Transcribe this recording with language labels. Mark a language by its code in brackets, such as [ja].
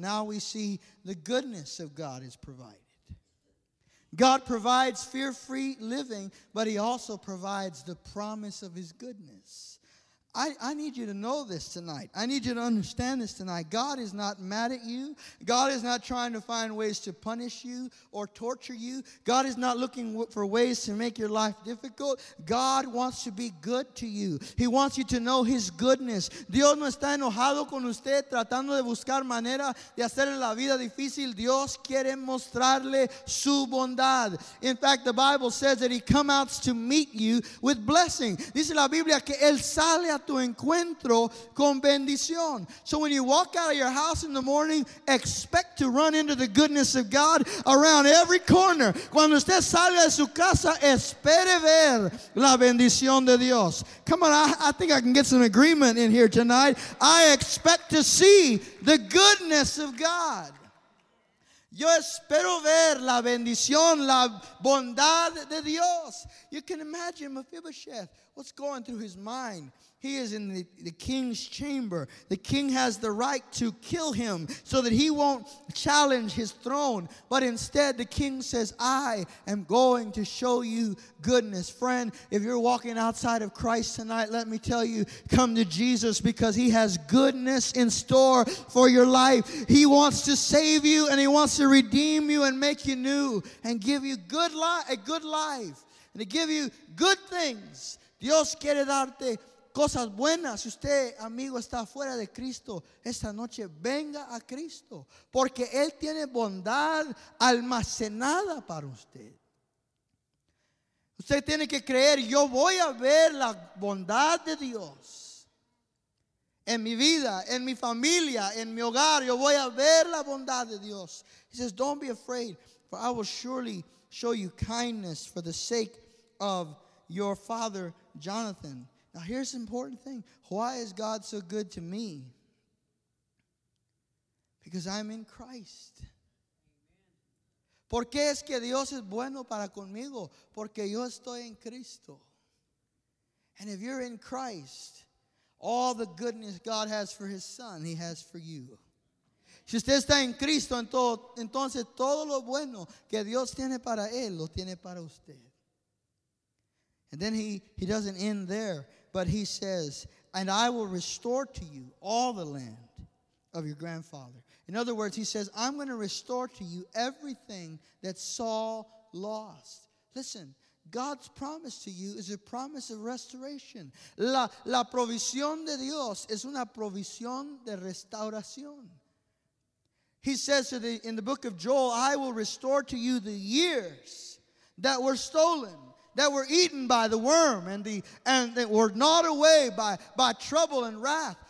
[en] Now we see the goodness of God is provided. God provides fear-free living, but he also provides the promise of his goodness. I need you to know this tonight. I need you to understand this tonight. God is not mad at you. God is not trying to find ways to punish you or torture you. God is not looking for ways to make your life difficult. God wants to be good to you. He wants you to know his goodness. [es] Dios no está enojado con usted tratando de buscar manera de hacerle la vida difícil. Dios quiere mostrarle su bondad. [en] In fact, the Bible says that he comes out to meet you with blessing. [es] Dice la Biblia que él sale a tu encuentro con bendición. [en] So when you walk out of your house in the morning, expect to run into the goodness of God around every corner. [es] Cuando usted salga de su casa, espere ver la bendición de Dios. [en] Come on, I think I can get some agreement in here tonight. I expect to see the goodness of God. [es] Yo espero ver la bendición, la bondad de Dios. [en] You can imagine Mephibosheth, what's going through his mind. He is in the king's chamber. The king has the right to kill him so that he won't challenge his throne. But instead, the king says, I am going to show you goodness. Friend, if you're walking outside of Christ tonight, let me tell you, come to Jesus, because he has goodness in store for your life. He wants to save you, and he wants to redeem you and make you new and give you a good life and to give you good things. [es] Dios quiere darte cosas buenas. Si usted, amigo, está fuera de Cristo, esta noche venga a Cristo, porque él tiene bondad almacenada para usted. Usted tiene que creer, yo voy a ver la bondad de Dios en mi vida, en mi familia, en mi hogar. Yo voy a ver la bondad de Dios. [en] He says, don't be afraid, for I will surely show you kindness for the sake of your father Jonathan. Now, here's an important thing. Why is God so good to me? Because I'm in Christ. [es] ¿Por qué es que Dios es bueno para conmigo? Porque yo estoy en Cristo. [en] And if you're in Christ, all the goodness God has for his son, he has for you. [es] Si usted está en Cristo, entonces todo lo bueno que Dios tiene para él, lo tiene para usted. [en] And then he doesn't end there. But he says, and I will restore to you all the land of your grandfather. In other words, he says, I'm going to restore to you everything that Saul lost. Listen, God's promise to you is a promise of restoration. [es] La provisión de Dios es una provisión de restauración. [en] He says in the book of Joel, I will restore to you the years that were stolen, that were eaten by the worm, and that were gnawed away by trouble and wrath.